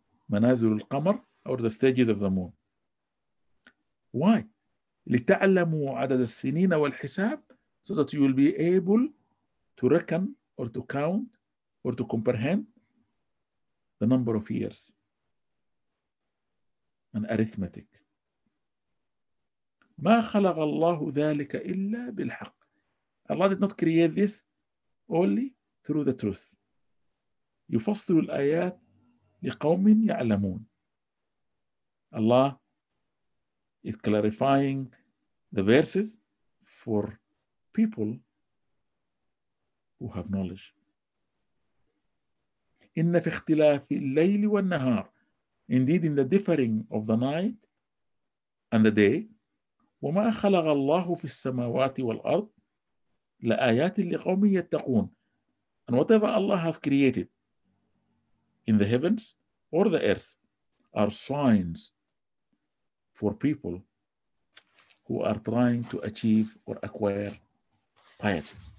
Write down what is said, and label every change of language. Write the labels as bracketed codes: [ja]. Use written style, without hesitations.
[en] Manazil al-qamar, or the stages of the moon. Why? [ar] لتعلموا عدد السنين والحساب, [en] so that you will be able to reckon or to count or to comprehend the number of years and arithmetic. [ar] ما خلق الله ذلك إلا بالحق. [en] Allah did not create this only through the truth. [ar] يفصل الآيات لقوم يعلمون. [en] Allah is clarifying the verses for people who have knowledge. [ar] إن في اختلاف الليل والنهار. [en] Indeed, in the differing of the night and the day. [ar] وما خلق الله في السماوات والأرض. لآيات لقوم يتقون. [en] And whatever Allah has created in the heavens or the earth are signs for people who are trying to achieve or acquire piety.